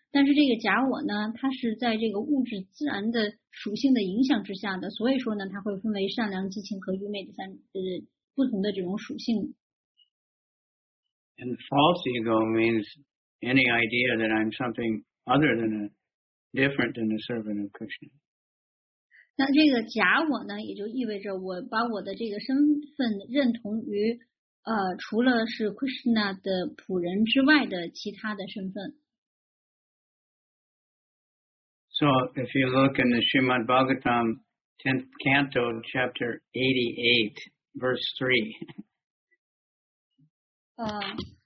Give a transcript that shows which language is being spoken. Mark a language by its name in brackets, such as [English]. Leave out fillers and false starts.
[Chinese] 但是这个假我呢，它是在这个物质自然的属性的影响之下的，所以说呢，它会分为善良、激情和愚昧的三不同的这种属性 [English] And false ego means any idea that I'm something other than a different than a servant of Krishna. [Chinese] 那这个假我呢，也就意味着我把我的这个身份认同于除了是 Krishna 的仆人之外的其他的身份。 [English] So if you look in the Srimad Bhagavatam 10th canto, chapter 88, verse 3.